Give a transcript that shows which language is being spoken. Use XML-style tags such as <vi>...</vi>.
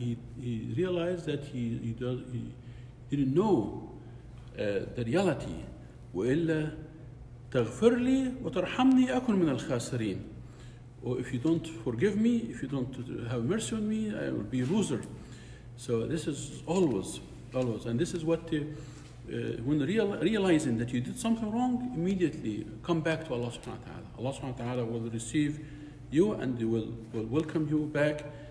<en>He realized that he didn't know the reality.</en> <ar>وإلا تغفر لي وترحمني أكون من الخاسرين.</ar> <en>Or if you don't forgive me, if you don't have mercy on me, I will be a loser. So this is always, and this is what when realizing that you did something wrong, immediately come back to Allah subhanahu wa ta'ala. Allah subhanahu wa ta'ala will receive you and they will welcome you back.</en>